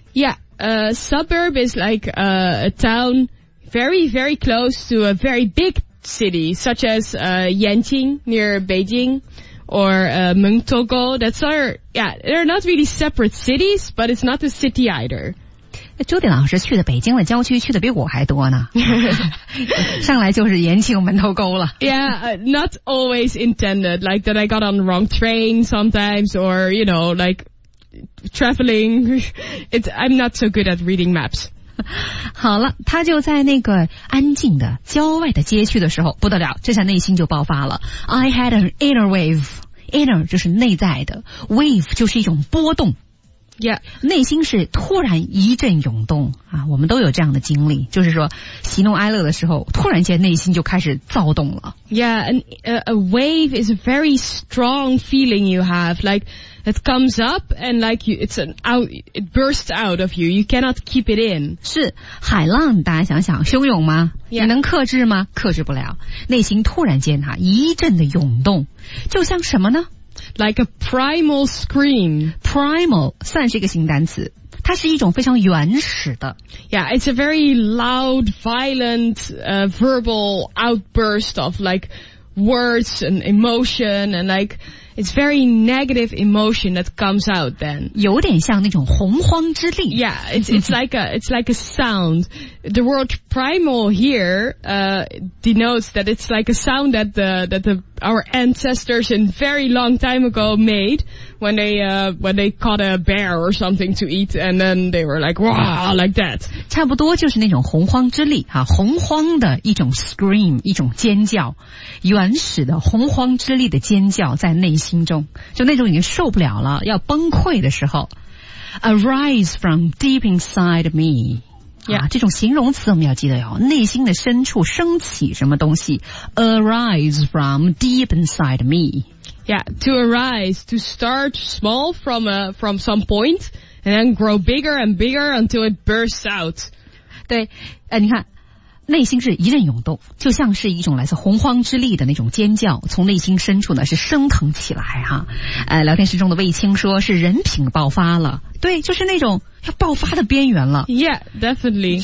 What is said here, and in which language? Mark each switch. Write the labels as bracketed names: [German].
[English] Yeah, suburb is like a town very, very close to a very big city, such as Yanqing near Beijing or Mengtogo. That's our, yeah, they're not really separate cities, but it's not a city either. [Chinese] 朱迪老师去的北京的郊区去的比我还多呢上来就是延庆门头沟了 [English] Yeah, not always intended like that I got on the wrong train sometimes or you know like traveling I'm not so good at reading maps [Chinese] 好了他就在那个安静的郊外的街区的时候不得了这下内心就爆发了 [English] I had an inner wave [Chinese] inner 就是内在的 wave 就是一种波动 [English] Yeah. [Chinese] 内心是突然一阵涌动啊，我们都有这样的经历，就是说喜怒哀乐的时候突然间内心就开始躁动了。 [English] Yeah, a wave is a very strong feeling you have, like it comes up and like you, it's an out, it bursts out of you, you cannot keep it in. [Chinese] 是海浪，大家想想汹涌吗？ [English] Yeah. [Chinese] 你能克制吗？克制不了，内心突然间啊一阵的涌动，就像什么呢？ [English] Like a primal scream. [Chinese] Primal 算是一个新单词，它是一种非常原始的。 [English] Yeah, it's a very loud, violent, verbal outburst of like words and emotion and like it's very negative emotion that comes out then. [Chinese] 有点像那种洪荒之力。 [English] Yeah, it's like a sound. The word primal here, denotes that it's like a sound that our ancestors in very long time ago made when they caught a bear or something to eat and then they were like, wow, like that. [Chinese] 差不多就是那种洪荒之力啊，洪荒的一种 scream, 一种尖叫，原始的洪荒之力的尖叫在内心中，就那种已经受不了了要崩溃的时候。 [English] Arise from deep inside me. Yeah. [Chinese] 啊，这种形容词我们要记得哦，内心的深处升起什么东西。 [English] Arise from deep inside me. Yeah, to arise, to start small from some point, and then grow bigger and bigger until it bursts out. [Chinese] 对，你看内心是一阵涌动，就像是一种来自洪荒之力的那种尖叫，从内心深处呢是升腾起来哈。聊天室中的卫青说是人品爆发了，对，就是那种要爆发的边缘了。 [English] Yeah, definitely.